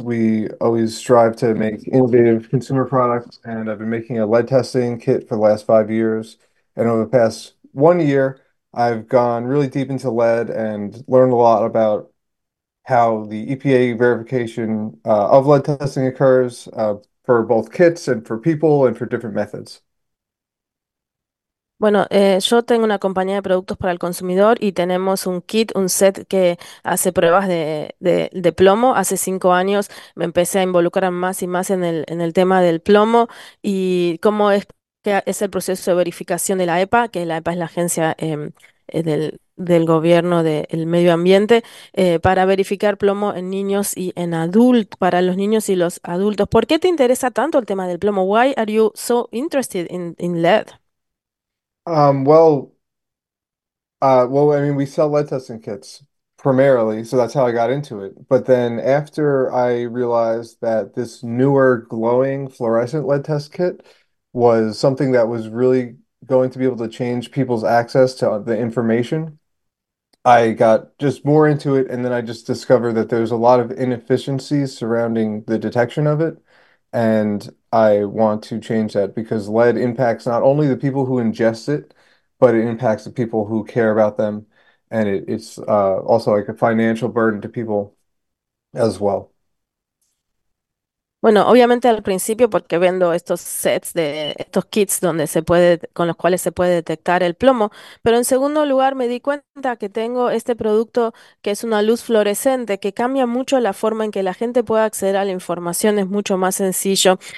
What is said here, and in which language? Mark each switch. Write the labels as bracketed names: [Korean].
[English] We always strive to make innovative consumer products, and I've been making a lead testing kit for the last 5 years. And over the past 1 year, I've gone really deep into lead and learned a lot about how the EPA verification of lead testing occurs for both kits and for people and for different methods. [Spanish] Bueno, yo tengo una compañía de productos para el consumidor y tenemos un kit, un set que hace pruebas de plomo. Hace 5 años me empecé a involucrar más y más en el tema del plomo y cómo es el proceso de verificación de la EPA, que la EPA es la agencia del gobierno del medio ambiente, para verificar plomo en niños y en adultos, para los niños y los adultos. ¿Por qué te interesa tanto el tema del plomo? [English] Why are you so interested in lead? I mean, we sell lead testing kits primarily, so that's how I got into it. But then after I realized that this newer glowing fluorescent lead test kit was something that was really going to be able to change people's access to the information, I got just more into it, and then I just discovered that there's a lot of inefficiencies surrounding the detection of it. And I want to change that because lead impacts not only the people who ingest it, but it impacts the people who care about them. And it's also like a financial burden to people as well. [Spanish] Bueno, obviamente al principio, porque vendo estos sets estos kits donde se puede, con los cuales se puede detectar el plomo, pero en segundo lugar me di cuenta que tengo este producto que es una luz fluorescente que cambia mucho la forma en que la gente puede acceder a la información, es mucho más sencillo.